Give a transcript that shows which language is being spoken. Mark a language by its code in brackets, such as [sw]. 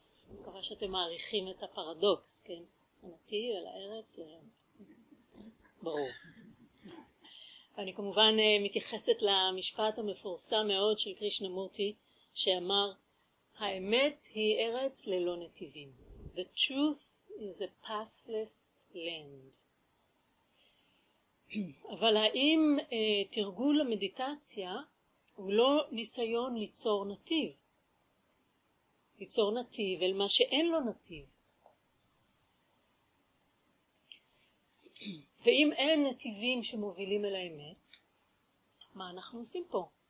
[he] אני מקווה שאתם מעריכים את הפרדוקס, כן? הנתיב אל הארץ ללא נתיבים. ברור. ואני כמובן מתייחסת למשפט המפורסם מאוד של קרישנמורטי, שאמר, האמת היא ארץ ללא נתיבים. [en] The truth is a pathless land. [he] אבל האם תרגול המדיטציה הוא לא ניסיון ליצור נתיב? ליצור נתיב אל מה שאין לו נתיב. ואם אין נתיבים שמובילים אל האמת, מה אנחנו עושים פה?